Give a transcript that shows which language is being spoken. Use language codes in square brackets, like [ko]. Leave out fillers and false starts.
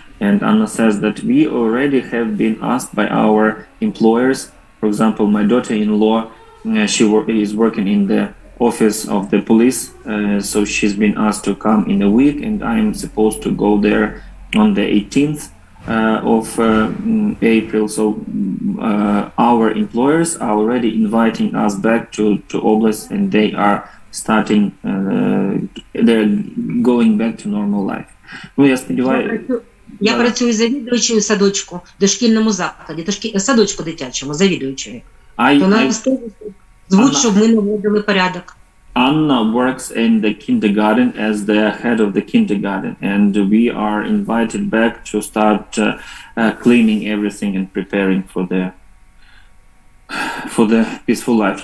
[en] And Anna says that we already have been asked by our employers, for example, my daughter-in-law, she is working in the office of the police, so she's been asked to come in a week, and I'm supposed to go there on the 18th. of April. So our employers are already inviting us back to Oblast, and they are starting, they're going back to normal life. [uk] Ну, я сподіваюся. Я працюю завідувачею садочку, дошкільному закладі, садочку дитячому, завідувачею. То нам звуть, щоб ми наводили порядок. [en] Anna works in the kindergarten as the head of the kindergarten, and we are invited back to start cleaning everything and preparing for the peaceful life.